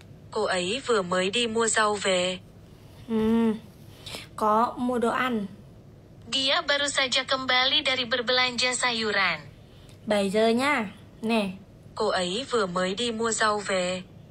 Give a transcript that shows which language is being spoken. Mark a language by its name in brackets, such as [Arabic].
[Vietnamese] Cô ấy vừa mới đi mua rau về. Có mua đồ ăn. [Indonesian] Dia baru saja kembali dari berbelanja sayuran. [Vietnamese] Bây giờ nha. Nè. Cô ấy vừa mới đi mua rau về.